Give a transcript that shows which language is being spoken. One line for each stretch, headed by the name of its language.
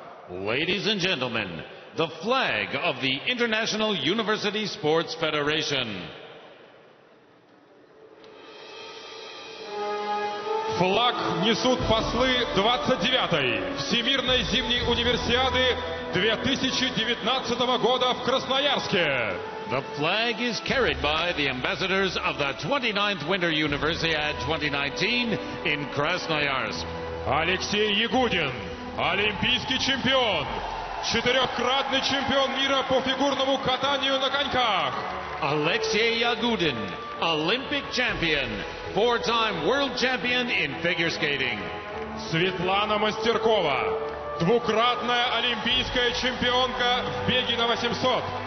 English: Ladies and gentlemen, the flag of the International University Sports Federation.
Russian: Флаг несут послы 29-й Всемирной Зимней Универсиады 2019 года в Красноярске.
English: The flag is carried by the ambassadors of the 29th Winter Universiade 2019 in Krasnoyarsk.
Russian: Алексей Ягудин, олимпийский чемпион, четырехкратный чемпион мира по фигурному катанию на коньках.
English: Алексей Ягудин, Olympic champion, four-time world champion in figure skating.
Russian: Светлана Мастеркова, двукратная олимпийская чемпионка в беге на 800.